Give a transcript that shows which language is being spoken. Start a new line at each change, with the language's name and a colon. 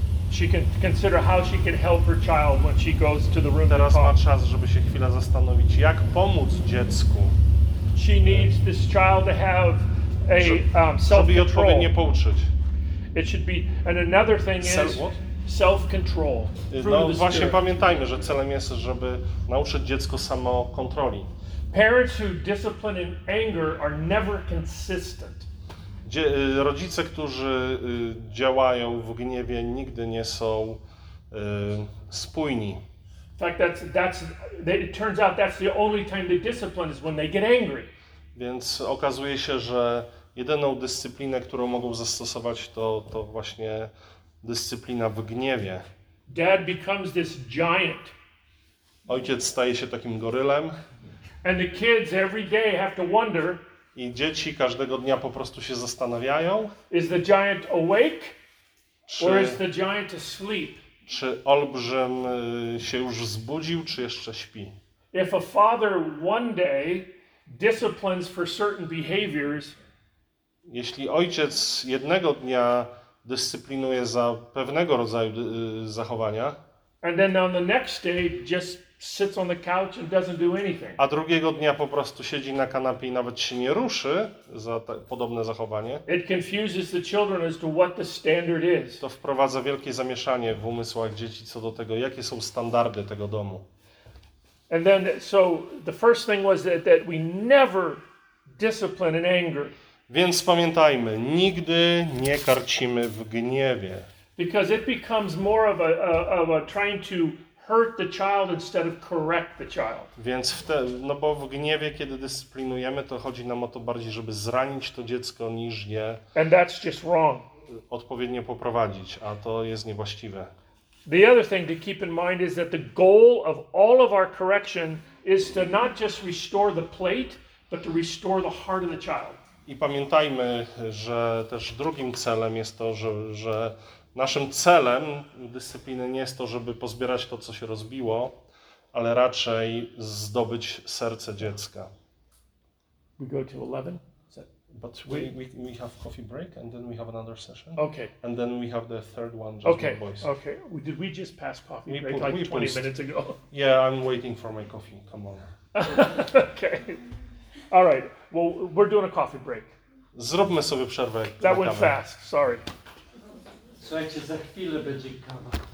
English: She can consider how she can help her child when she goes to the room.
Polish: Teraz ma czas, żeby się chwilę zastanowić, jak pomóc dziecku.
English: She needs this child to have a self-control.
Polish: Żeby odpowiednio pouczyć.
English: It should be, and another thing is self-control.
Polish: No właśnie, pamiętajmy, że celem jest, żeby nauczyć dziecko samokontroli.
English: Parents who discipline in anger are never consistent.
Polish: Rodzice, którzy działają w gniewie, nigdy nie są spójni.
English: In fact, it turns out that's the only time they discipline is when they get angry.
Polish: Więc okazuje się, że jedyną dyscyplinę, którą mogą zastosować, to właśnie dyscyplina w gniewie.
English: Dad becomes this giant.
Polish: Ojciec staje się takim gorylem.
English: And the kids every day have to wonder.
Polish: I dzieci każdego dnia po prostu się zastanawiają.
English: Is the giant awake? Or is the giant asleep?
Polish: Czy olbrzym się już zbudził, czy jeszcze śpi?
English: If a father one day disciplines for certain behaviors,
Polish: jeśli ojciec jednego dnia dyscyplinuje za pewnego rodzaju zachowania,
English: and then on the next day just sits on the couch and doesn't do anything.
Polish: A drugiego dnia po prostu siedzi na kanapie i nawet się nie ruszy za podobne zachowanie.
English: It confuses the children as to what the standard is.
Polish: To wprowadza wielkie zamieszanie w umysłach dzieci co do tego, jakie są standardy tego domu.
English: And then so the first thing was that we never discipline in anger.
Polish: Więc pamiętajmy, nigdy nie karcimy w gniewie.
English: Because it becomes more of a trying to hurt the child instead of correct the child.
Polish: Więc bo w gniewie, kiedy dyscyplinujemy, to chodzi nam o to bardziej, żeby zranić to dziecko, niż je
English: and that's just wrong.
Polish: Odpowiednio poprowadzić, a to jest niewłaściwe.
English: The other thing to keep in mind is that the goal of all of our correction is to not just restore the plate, but to restore the heart of the child.
Polish: I pamiętajmy, że też drugim celem jest to, że naszym celem dyscypliny nie jest to, żeby pozbierać to, co się rozbiło, ale raczej zdobyć serce dziecka.
English: We go to 11. But we have coffee break and then we have another session. Okay. And then we have the third one just okay. with boys. Okay. Did we just pass coffee break like 20 minutes ago? Yeah, I'm waiting for my coffee. Come on. Okay. All right. Well, we're doing a coffee break.
Polish: Zróbmy sobie przerwę.
English: That went fast. Sorry.
Polish: Słuchajcie, za chwilę będzie kawa.